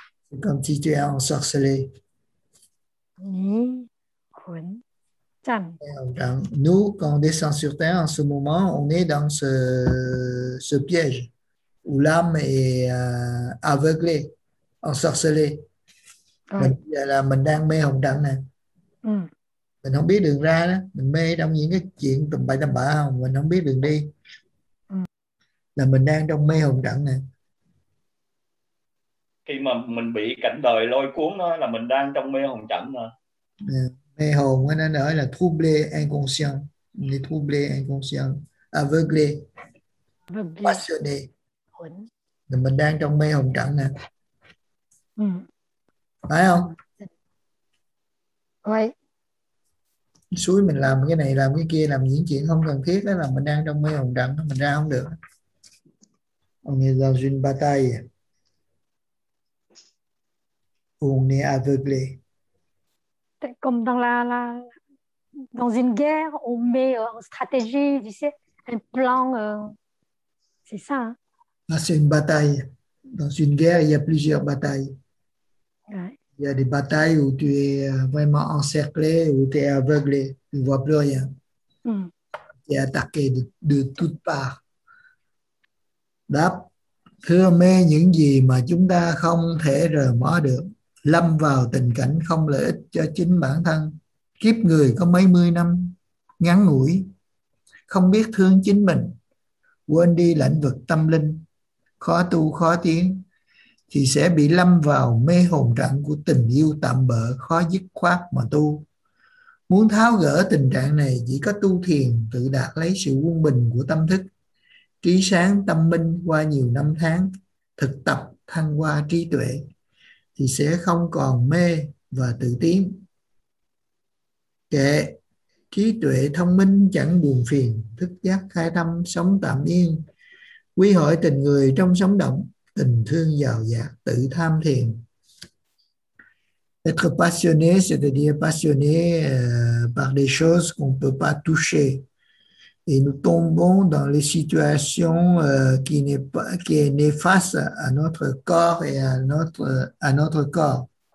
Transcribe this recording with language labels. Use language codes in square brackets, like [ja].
[fr] C'est comme si tu es ensorcelé. Nous, quand on descend sur terre, en ce moment, on est dans ce piège où l'âme est aveuglée, ensorcelée. [vi] Mình đang mê hồn đăng nè. Mình không biết đường ra đó. Mình mê trong những cái chuyện tùm bậy tùm bạ không? Mình không biết đường đi. Là mình đang trong mê hồn đăng nè. Khi mà mình bị cảnh đời lôi cuốn đó là mình đang trong mê hồn đăng nè. Mê hồn nó nói là [fr] troublé inconscient. [vi] Mình là [fr] troublé inconscient. Aveuglé. Passionné. [vi] Là mình đang trong mê hồn đăng nè. Phải không? Vậy. Suối mình làm cái này, làm cái kia, làm những chuyện không cần thiết đó là mình đang trong mê hồn đẳng, mình ra không được. [fr] On est dans une bataille. On est aveuglé. C'est comme dans la dans une guerre, on met en stratégie, tu sais, un plan, c'est ça. Là c'est une bataille. Dans une guerre, il y a plusieurs batailles. Il y a des batailles où tu es vraiment encerclé, où tu es aveuglé, tu ne vois plus rien. Tu es attaqué de toutes parts. [vi] Đáp, thưa mê những gì mà chúng ta không thể rờ mó được, lâm vào tình cảnh không lợi ích cho chính bản thân. Kiếp người có mấy mươi năm, ngắn ngủi, không biết thương chính mình, quên đi lĩnh vực tâm linh, khó tu khó tiến, thì sẽ bị lâm vào mê hồn trạng của tình yêu tạm bợ khó dứt khoát mà tu. Muốn tháo gỡ tình trạng này chỉ có tu thiền tự đạt lấy sự quân bình của tâm thức, trí sáng tâm minh qua nhiều năm tháng, thực tập thăng qua trí tuệ, thì sẽ không còn mê và tự tiến. Kệ, trí tuệ thông minh chẳng buồn phiền, thức giác khai tâm sống tạm yên, quy hội tình người trong sống động, tình thương giàu dạt tự tham thiền. [fr] Être passionné, c'est-à-dire passionné par des choses qu'on ne peut pas toucher. Et nous tombons dans les situations qui est néfaste à notre corps et à notre corps.